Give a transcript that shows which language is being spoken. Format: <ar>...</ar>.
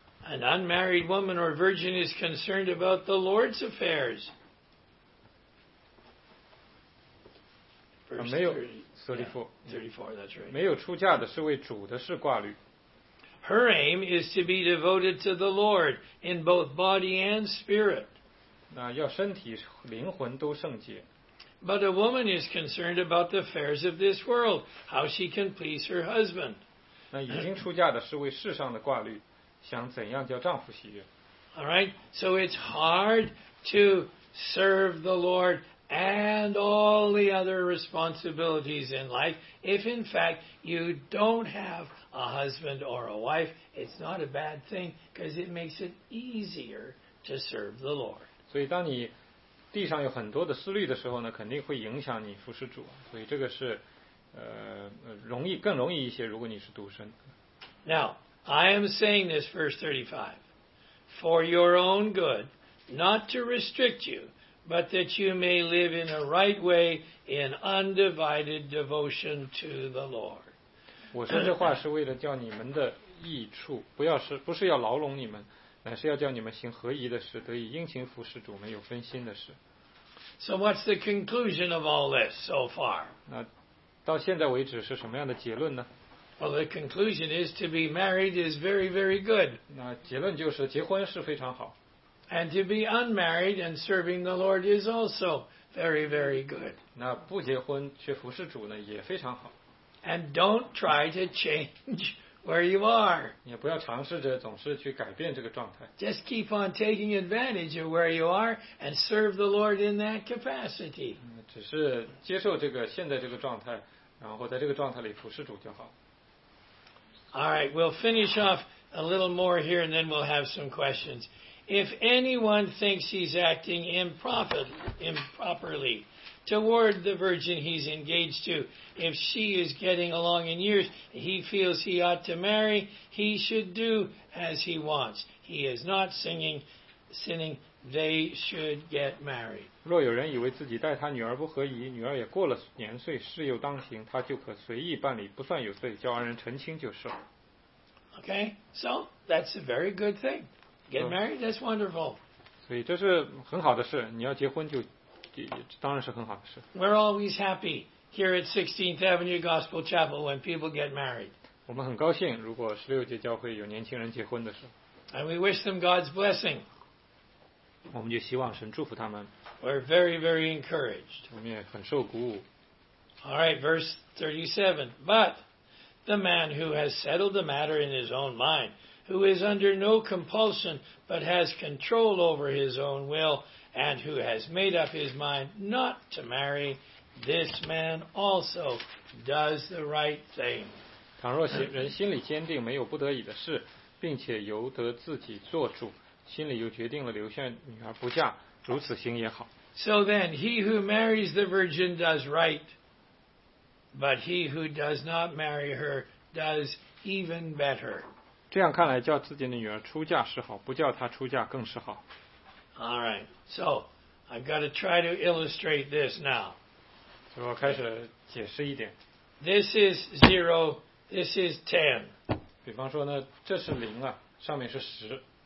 <en>An unmarried woman or virgin is concerned about the Lord's affairs. 34, that's right. Her aim is to be devoted to the Lord in both body and spirit.</en> <zh>那要身体灵魂都圣洁。</zh> <en>But a woman is concerned about the affairs of this world, how she can please her husband.</en> <zh>那已经出嫁的是为世上的挂虑，想怎样叫丈夫喜悦。</zh> <en>All right, so it's hard to serve the Lord and all the other responsibilities in life if in fact you don't have a husband or a wife. It's not a bad thing because it makes it easier to serve the Lord.</en> <zh>所以当你地上有很多的思虑的时候呢，肯定会影响你服侍主，所以这个是容易更容易一些如果你是独身。</zh> <en>Now I am saying this verse 35 for your own good, not to restrict you, but that you may live in a right way in undivided devotion to the Lord.</en> <zh>我说这话是为了叫你们的益处，不是要牢笼你们，乃是要叫你们行合宜的事，得以殷勤服侍主，没有分心的事。</zh> <en>So what's the conclusion of all this so far?</en> <zh>那到现在为止是什么样的结论呢？</zh> <en>Well, the conclusion is to be married is very, very good.</en> <zh>那结论就是结婚是非常好。</zh> <en>And to be unmarried and serving the Lord is also very, very good.</en> <zh>那不结婚却服侍主呢也非常好。</zh> <en>And don't try to change where you are.</en> <zh>也不要尝试着总是去改变这个状态。</zh> <en>Just keep on taking advantage of where you are and serve the Lord in that capacity.</en> <zh>只是接受这个现在这个状态，然后在这个状态里服侍主就好。</zh> <en>All right, we'll finish off a little more here and then we'll have some questions. If anyone thinks he's acting improperly toward the virgin he's engaged to, if she is getting along in years, he feels he ought to marry, he should do as he wants. He is not sinning, they should get married.</en> <zh>若有人以为自己待他女儿不合宜，女儿也过了年岁，事又当行，他就可随意办理，不算有罪，叫二人成亲就是了。</zh> <en>Okay, so that's a very good thing. Get married, that's wonderful.</en> <zh>所以这是很好的事，你要结婚就当然是很好的事。</zh> <en>We're always happy here at 16th Avenue Gospel Chapel when people get married.</en> <zh>我们很高兴如果十六届教会有年轻人结婚的时候。</zh> <en>And we wish them God's blessing.</en> <zh>我们就希望神祝福他们。</zh> <en>We're very, very encouraged.</en> <zh>我们也很受鼓舞。</zh> <en>All right, verse 37. But the man who has settled the matter in his own mind, who is under no compulsion, but has control over his own will, and who has made up his mind not to marry, this man also does the right thing.</en> <zh>倘若人心里坚定，没有不得已的事，并且由得自己做主，心里又决定了留下女儿不嫁，如此行也好。</zh> <en>So then, he who marries the virgin does right, but he who does not marry her does even better.</en> <zh>这样看来，叫自己的女儿出嫁是好，不叫她出嫁更是好。</zh> <en>All right, so I've got to try to illustrate this now.</en> <zh>所以我开始解释一点。</zh> <en>This is zero, this is ten.</en> <zh>比方说呢，这是零啊，上面是十。</zh>